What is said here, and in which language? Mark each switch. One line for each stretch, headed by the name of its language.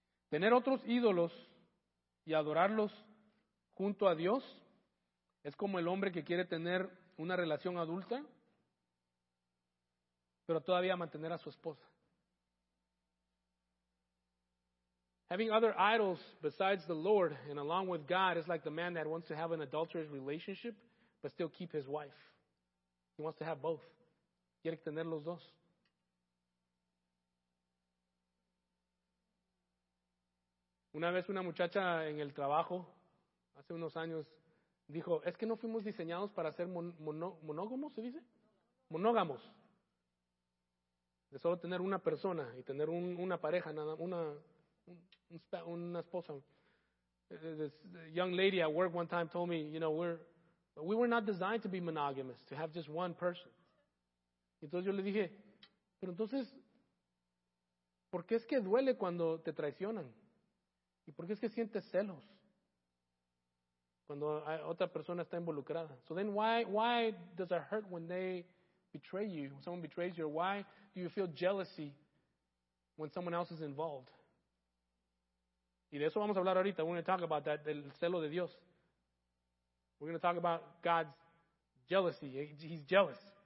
Spanish: Tener otros ídolos y adorarlos junto a Dios es como el hombre que quiere tener una relación adulta, pero todavía mantener a su esposa.
English: Having other idols besides the Lord and along with God is like the man that wants to have an adulterous relationship but still keep his wife. He wants to have both.
Spanish: Quiere tener los dos. Una vez una muchacha en el trabajo, hace unos años, dijo, es que no fuimos diseñados para ser monógamos, ¿se dice? Monógamos. De solo tener una persona y tener una pareja, nada, una esposa.
English: This young lady at work one time told me, you know, we were not designed to be monogamous, to have just one person.
Spanish: Entonces yo le dije, pero entonces, ¿por qué es que duele cuando te traicionan? ¿Y por qué es que sientes celos cuando otra persona está involucrada?
English: So then why does it hurt when they betray you, when someone betrays you? Why do you feel jealousy when someone else is involved?
Spanish: Y de eso vamos a hablar ahorita.
English: We're going to talk about that,
Spanish: del celo de Dios.
English: We're going to talk about God's jealousy. He's jealous.